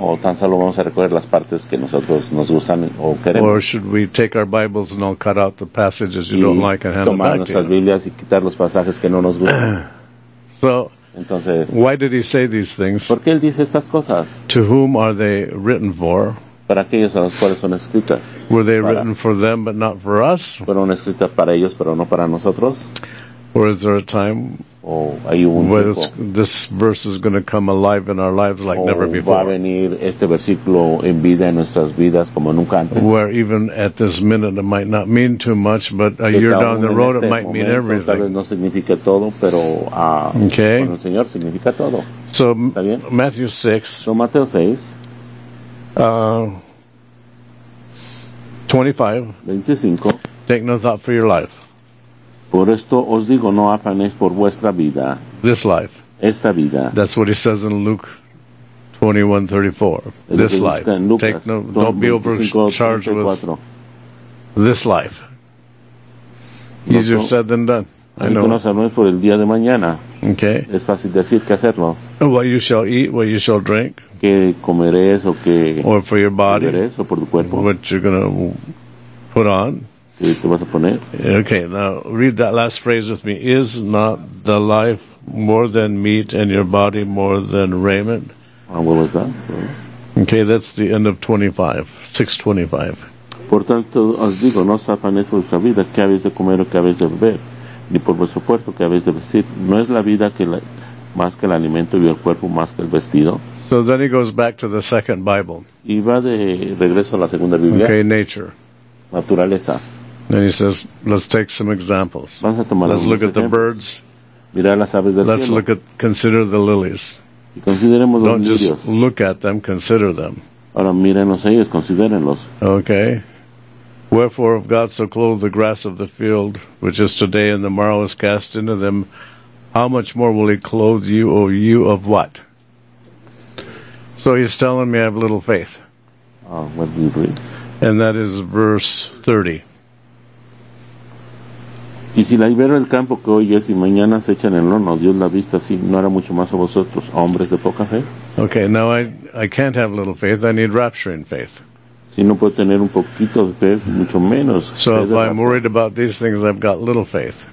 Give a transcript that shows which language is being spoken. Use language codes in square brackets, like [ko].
[es] O tan solo vamos a recoger las partes que nosotros nos gustan o queremos. [en] Or should we take our Bibles and all cut out the passages you [es] y [en] don't like and hand them back to you? [es] Tomar nuestras Biblias y quitar los pasajes que no nos gustan. [en] So, [es] entonces, [en] why did he say these things? [es] ¿Por qué él dice estas cosas? [en] To whom are they written for? [es] Para aquellos a los cuales son escritas. [en] Were they [es] para, [en] written for them but not for us? [es] Fueron escritas para ellos pero no para nosotros. [en] Or is there a time where this verse is going to come alive in our lives like never before? [es] O va a venir este versículo en vida en nuestras vidas como nunca antes. [en] Where even at this minute it might not mean too much, but a year down the road it might mean everything. [es] Tal vez no significa todo, pero [en] okay. [es] Con el Señor significa todo. [en] So Matthew 6. [es] So Mateo 6. [en] 25. Take no thought for your life. [es] Por esto os digo, no afanéis por vuestra vida. [en] This life. [es] Esta vida. [en] That's what he says in Luke 21:34. This life. [es] Lucas, [en] take no, don't be overcharged [es] 24. [en] With this life. Easier said than done. I know. [es] No afanéis por el día de mañana. [en] Okay. [es] Es fácil decir que hacerlo. [en] What you shall eat, what you shall drink. [es] Que comeréis o que. [en] Or for your body. [es] Comeréis o por tu cuerpo. [en] What you're gonna put on. [es] ¿Te vas a poner? [en] Okay, now read that last phrase with me. Is not the life more than meat and your body more than raiment? What was that? Okay, that's the end of 6:25. [es] Por tanto, os digo, no os afanéis por vuestra vida, qué habéis de comer o qué habéis de beber, ni por vuestro cuerpo, qué habéis de vestir. ¿No es la vida que la, más que el alimento y el cuerpo más que el vestido? [en] So then he goes back to the second Bible. [es] Y va de regreso a la segunda Biblia. [en] Okay, nature. [es] Naturaleza. [en] Then he says, let's take some examples. [es] Vamos a tomar [en] let's look [es] ejemplos. [en] At the birds. [es] Mirar las aves del [en] let's [es] cielo. [en] Look at, consider the lilies. [es] Y consideremos [en] don't [es] los lirios. [en] Just look at them, consider them. [es] Ahora mírenlos ellos, considérenlos. [en] Okay. Wherefore, if God so clothed the grass of the field, which is today and tomorrow is cast into them, how much more will he clothe you, O you of what? So he's telling me I have little faith. What do you read? And that is verse 30. [es] Y si la libero el campo que hoy es y mañana se echa en el horno, Dios la vista así, ¿no hará mucho más a vosotros, hombres de poca fe? [en] Okay, now I can't have little faith, I need rapturing faith. [es] Si no puedo tener un poquito de fe, mucho menos. [en] So if I'm worried about these things, I've got little faith.